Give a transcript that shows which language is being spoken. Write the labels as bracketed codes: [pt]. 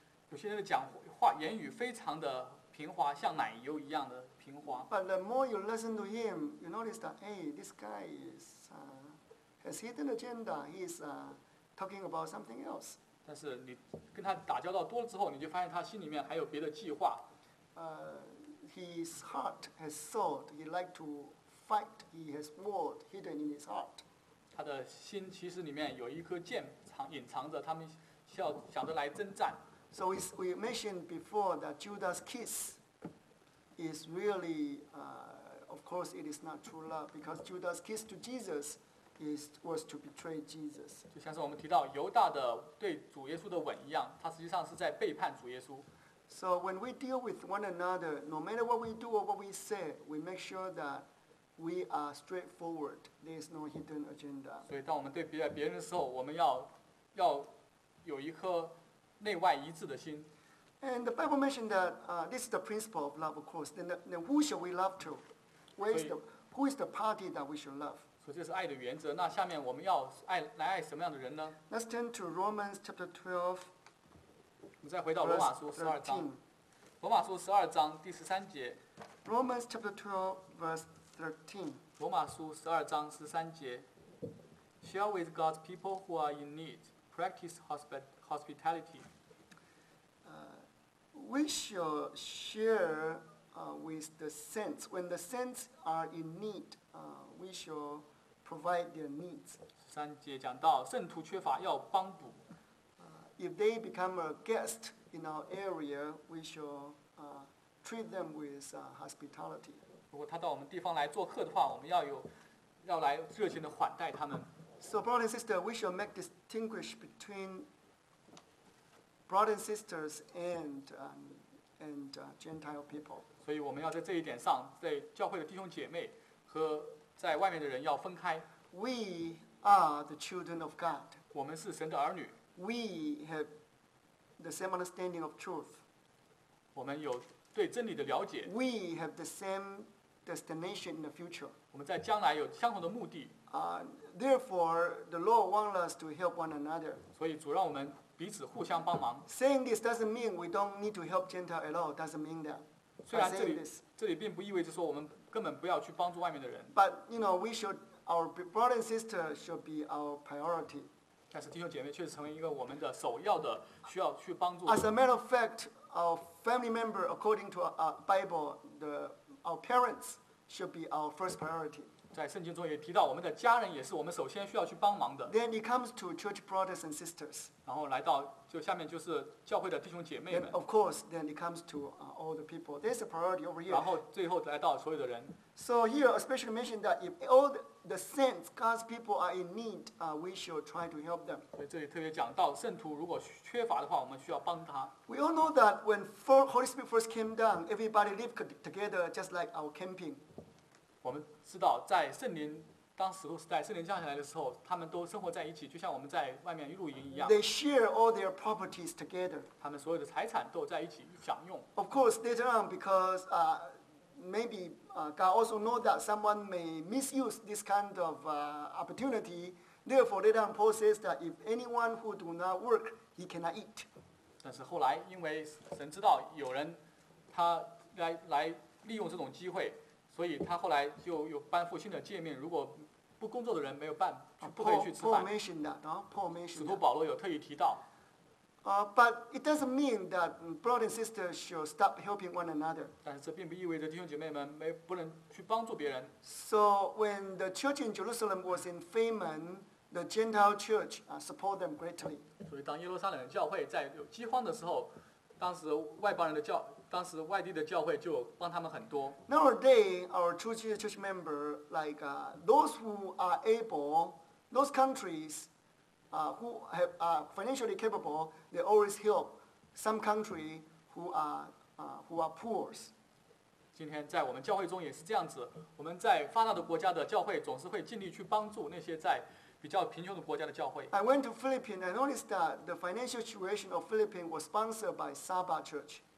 [zh] 有些人的讲话言语非常的平滑，像奶油一样的平滑。 [en] But the more you listen to him, you notice that, hey, this guy is, has hidden agenda. He's, talking about something else. [zh] 但是你跟他打交道多了之后，你就发现他心里面还有别的计划。 [en] His heart has sought. He like to fight. He has warred hidden in his heart. [zh] 他的心其实里面有一颗剑藏隐藏着，他们想着来征战。 [en] So we mentioned before that Judas kiss is really, of course, it is not true love because Judas kiss to Jesus was to betray Jesus. [zh] 就像是我们提到犹大的对主耶稣的吻一样，他实际上是在背叛主耶稣。 [en] So when we deal with one another, no matter what we do or what we say, we make sure that we are straightforward. There is no hidden agenda. [zh] 所以当我们对别人的时候，我们要有一颗内外一致的心。 [en] And the Bible mentioned that this is the principle of love, of course. Then who shall we love to? Who is the party that we should love? [zh] 所以这是爱的原则。那下面我们要爱什么样的人呢？ [en] Let's turn to Romans chapter 12. [zh] 我们再回到罗马书十二章。罗马书十二章第十三节。 [en] Romans chapter 12, verse 13. [zh] 罗马书十二章十三节。 [en] Share with God's people who are in need. Practice hospitality. We shall share with the saints. When the saints are in need, we shall provide their needs. [zh] 三节讲到圣徒缺乏要帮补。 [en] If they become a guest in our area, we shall treat them with hospitality. [zh] 如果他到我们地方来做客的话，我们要来热情的款待他们。 [en] So, brother and sister, we shall make distinguish between brothers and sisters and Gentile people. [zh] 所以我们要在这一点上，在教会的弟兄姐妹和在外面的人要分开。 [en] We are the children of God. [zh] 我们是神的儿女。 [en] We have the same understanding of truth. [zh] 我们有对真理的了解。 [en] We have the same destination in the future. [zh] 我们在将来有相同的目的。 [en] Therefore, the Lord wants us to help one another. [zh] 所以主让我们彼此互相帮忙。 [en] Saying this doesn't mean we don't need to help Gentile at all. Doesn't mean that. [zh] 虽然这里并不意味着说我们根本不要去帮助外面的人。 [en] But you know, we should our brother and sister should be our priority. [zh] 但是弟兄姐妹却成为一个我们的首要的需要去帮助。 [en] As a matter of fact, our family member, according to our Bible, our parents should be our first priority. [zh] 在圣经中也提到，我们的家人也是我们首先需要去帮忙的。 [en] Then it comes to church brothers and sisters. [zh] 然后来到就下面就是教会的弟兄姐妹们。 [en] Then, of course, then it comes to all the people. There's a priority over here. [zh] 然后最后来到所有的人。 [en] So here, especially mentioned that if all the saints, God's people are in need, we shall try to help them. [zh] 所以这里特别讲到，圣徒如果缺乏的话，我们需要帮他。 [en] We all know that when Holy Spirit first came down, everybody lived together just like our camping. [zh] 我们知道，在圣灵当使徒时代，圣灵降下来的时候，他们都生活在一起，就像我们在外面露营一样。 [en] They share all their properties together. [zh] 他们所有的财产都在一起享用。 [en] Of course, later on, because maybe God also know that someone may misuse this kind of opportunity. Therefore, later on, Paul says that if anyone who do not work, he cannot eat. [zh] 但是后来，因为神知道有人他来利用这种机会，所以他后来就有颁布新的诫命：如果不工作的人没有办不可以去吃饭。 [en] Paul mentioned that. Paul mentioned. [zh] 使徒保罗有特意提到。 [en] But it doesn't mean that brothers and sisters should stop helping one another. [zh] 但是这并不意味着弟兄姐妹们不能去帮助别人。 [en] So when the church in Jerusalem was in famine, the Gentile church support them greatly. [zh] 所以当耶路撒冷教会在有饥荒的时候，当时外地的教会就帮他们很多。 [en] Nowadays, our true church member, like those who are able, those countries. Who have financially capable, they always help some country who are poor. [zh] 今天在我们教会中也是这样子，我们在发达的国家的教会总是会尽力去帮助那些在比较贫穷的国家的教会。 [en] I went to Philippines and noticed that the financial situation of Philippines was sponsored by Saba Church.